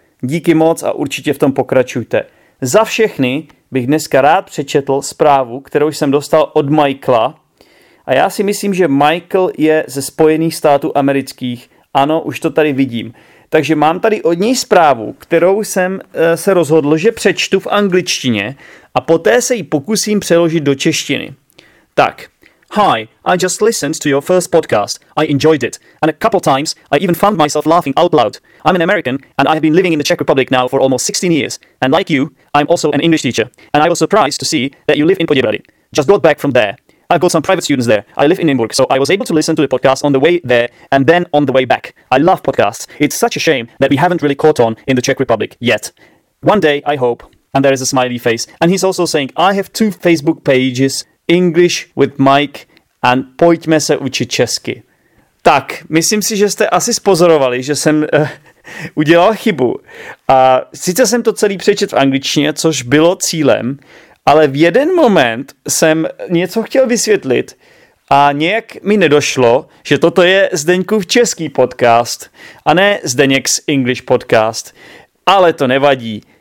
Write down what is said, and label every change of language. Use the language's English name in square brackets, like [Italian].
[Czech] Díky moc a určitě v tom pokračujte. Za všechny bych dneska rád přečetl zprávu, kterou jsem dostal od Michaela. A já si myslím, že Michael je ze Spojených států amerických. Ano, už to tady vidím. Takže mám tady od něj zprávu, kterou jsem se rozhodl, že přečtu v angličtině a poté se ji pokusím přeložit do češtiny. Tak. [English] Hi, I just listened to your first podcast. I enjoyed it. And a couple times, I even found myself laughing out loud. I'm an American, and I have been living in the Czech Republic now for almost 16 years. And like you, I'm also an English teacher. And I was surprised to see that you live in Poděbrady. Just got back from there. I've got some private students there. I live in Nymburk, so I was able to listen to the podcast on the way there and then on the way back. I love podcasts. It's such a shame that we haven't really caught on in the Czech Republic yet. One day, I hope. And there is a smiley face. And he's also saying, I have two Facebook pages, English with Mike and pojďme se učit česky. [Czech] Tak, myslím si, že jste asi spozorovali, že jsem udělal chybu. A sice jsem to celý přečet v angličtině, což bylo cílem, ale v jeden moment jsem něco chtěl vysvětlit a nějak mi nedošlo, že toto je Zdeňkův český podcast a ne [English] Zdeněk's English podcast. [Czech] Ale to nevadí.